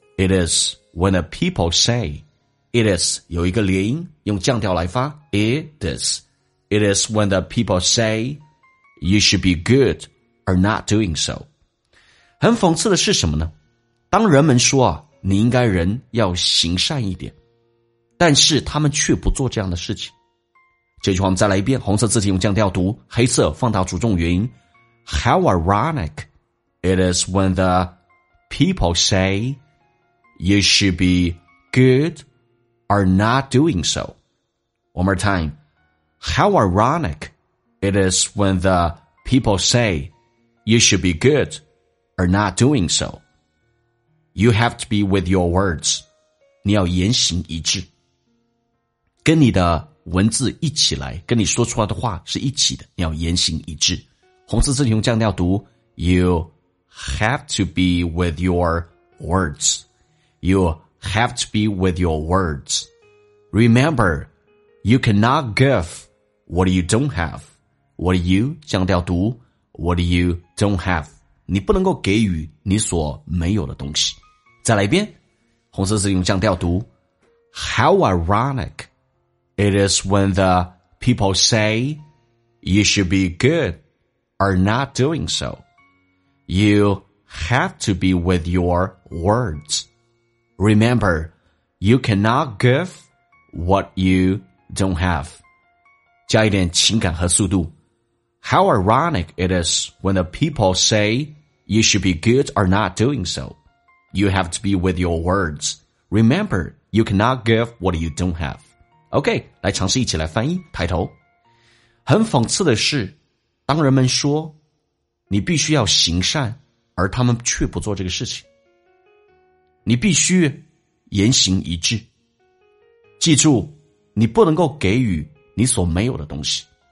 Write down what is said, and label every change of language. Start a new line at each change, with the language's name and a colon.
English: It is when the people say， It is
Chinese: 有一个连音，用降调来发，
English: It isIt is when the people say you should be good or not doing so.
Chinese: 很讽刺的是什么呢？当人们说你应该人要行善一点，但是他们却不做这样的事情。这句话我们再来一遍，红色字体用降调读，黑色放大主重元音。
English: How ironic it is when the people say you should be good or not doing so. One more time. How ironic it is when the people say you should be good or not doing so. You have to be with your words.
Chinese: 你要言行一致，跟你的文字一起来，跟你说出来的话是一起的，你要言行一致。红色字体用降调读，
English: You have to be with your words. You have to be with your words. Remember, you cannot giveWhat you don't have. What you,
Chinese: 降调读
English: What you don't have.
Chinese: 你不能够给予你所没有的东西。再来一遍，红色字用降调读，
English: How ironic it is when the people say you should be good or not doing so. You have to be with your words. Remember, you cannot give what you don't have.
Chinese: 加一点情感和速度。
English: How ironic it is when the people say you should be good or not doing so. You have to be with your words. Remember, you cannot give what you don't have.
Chinese: OK, 来尝试一起来翻译，抬头。很讽刺的是，当人们说你必须要行善，而他们却不做这个事情。你必须言行一致。记住，你不能够给予你所没有的东西。